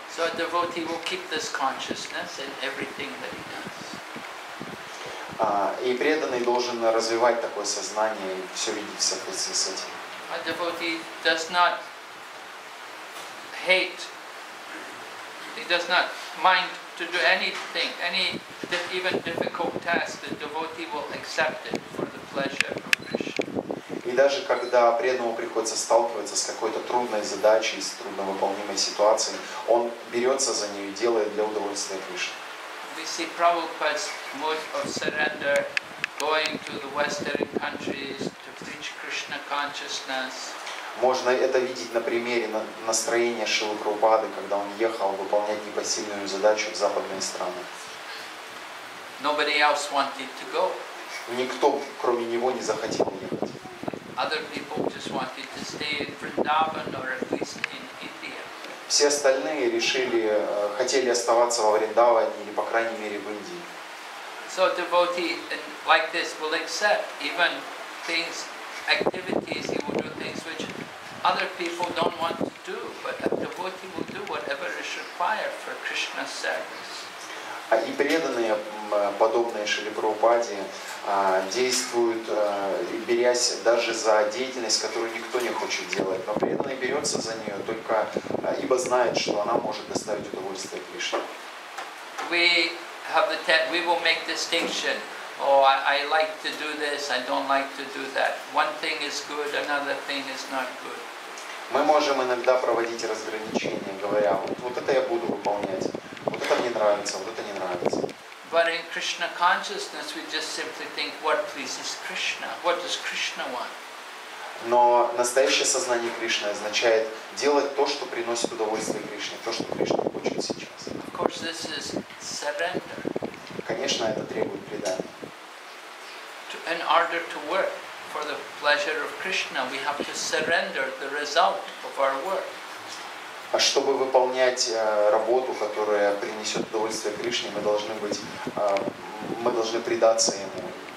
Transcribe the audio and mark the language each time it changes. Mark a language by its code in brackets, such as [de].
[en] So a devotee will keep this consciousness in everything that he does. [ru] И преданный должен развивать такое сознание и все видеть в соответствии с этим. [en] A devotee does not hate. He does not mind to do anything, any even difficult task. The devotee will accept it for the pleasure of Krishna. [ru] И даже когда преданному приходится сталкиваться с какой-то трудной задачей, с трудновыполнимой ситуацией, он берется за нее и делает для удовольствия Кришны. [en] We see Prabhupada's mode of surrender, going to the Western countries to preach Krishna consciousness. [ru] Можно это видеть на примере настроения Шрилы Прабхупады, когда он ехал выполнять непосильную задачу в западные страны. [en] Nobody else wanted to go. [ru] Никто, кроме него, не захотел ехать. [en] Other people just wanted to stay in Vrindavan or at least in India. [ru] Все остальные хотели оставаться во Вриндаване или, по крайней мере, в Индии. [en] So a devotee like this will accept even things, activities, he will do things which other people don't want to do, but a devotee will do whatever is required for Krishna's service. [ru] И преданные, подобные Шриле Прабхупаде, действуют, берясь даже за деятельность, которую никто не хочет делать, но преданный берется за нее только ибо знает, что она может доставить удовольствие Кришне. [en] We will make distinction. Oh, I like to do this, I don't like to do that. One thing is good, another thing is not good. [ru] Мы можем иногда проводить разграничения, говоря, вот это я буду выполнять, вот это мне нравится, вот это не нравится. [en] But in Krishna consciousness, we just simply think, what pleases Krishna? What does Krishna want? [ru] Но настоящее сознание Кришны означает делать то, что приносит удовольствие Кришне, то, что Кришна хочет сейчас. [en] Of course, this is surrender. [ru] Конечно, это требует предания. [en] In order to work for the pleasure of Krishna, we have to surrender the result of our work. [ru] А чтобы выполнять работу, которая принесет удовольствие Кришне, мы должны предаться ему.